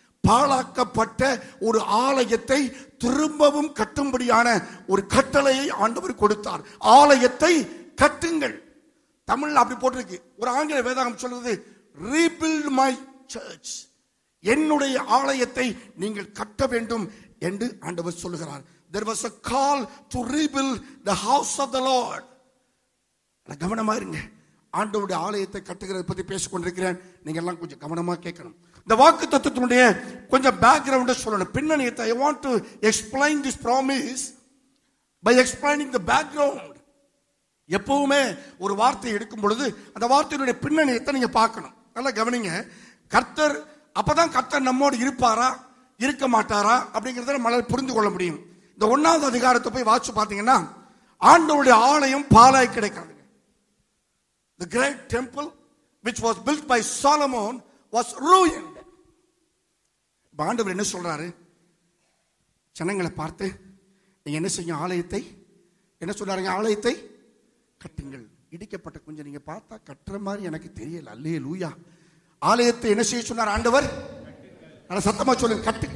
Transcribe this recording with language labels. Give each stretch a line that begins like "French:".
Tamil: பாழாக்கப்பட்ட ஒரு ஆலயத்தை திரும்பவும் கட்டும்படியான ஒரு கட்டளையை ஆண்டவர் கொடுத்தார். ஆலயத்தை கட்டுங்கள். தமிழ்ல அப்படி போட்டிருக்கு. ஒரு ஆங்கில வேதாகம் சொல்றது,
English: rebuild my church,
Tamil: என்னுடைய ஆலயத்தை நீங்கள் கட்ட வேண்டும் என்று ஆண்டவர் சொல்லுகிறார்.
English: There was a call to rebuild the house of the Lord.
Tamil: கவனமா இருங்க. ஆண்டவருடைய ஆலயத்தை கட்டுகிறது பத்தி பேசிக்கொண்டிருக்கிறேன். நீங்க எல்லாம் கொஞ்சம் கவனமா கேட்கணும். இந்த வாக்கு தத்துவத்தினுடைய கொஞ்சம் பேக்ரவுண்ட் சொல்லணும், பின்னணியத்தை.
English: I want to explain this promise by explaining the background.
Tamil: எப்பவுமே ஒரு வார்த்தை எடுக்கும் பொழுது அந்த வார்த்தையினுடைய பின்னணியத்தை நீங்க பார்க்கணும். நல்லா கவனிங்க. கர்த்தர் அப்பதான் கர்த்தர் நம்மோடு இருப்பாரா இருக்க மாட்டாரா அப்படிங்கறத மலர் புரிந்து கொள்ள முடியும். இந்த 1வது அதிகாரத்தை போய் வாசிச்சு பாத்தீங்கன்னா, ஆண்டவருடைய ஆலயம் பாழாய் கிடக்கிறது.
English: The great temple which was built by Solomon was ruined.
Tamil: பாண்டவர் என்ன சொல்றாரு? ஜனங்களை பார்த்து நீங்க என்ன செய்ய, ஆலயத்தை என்ன சொல்றாருங்க, ஆலயத்தை கட்டுங்கள். இடிக்கப்பட்ட கொஞ்சம் நீங்க பார்த்தா கட்டுற மாதிரி எனக்கு தெரியல. அல்லேலூயா. ஆலயத்தை என்ன செய்ய சொன்னார் ஆண்டவர்? சத்தமா சொல்லுங்க, கட்டு.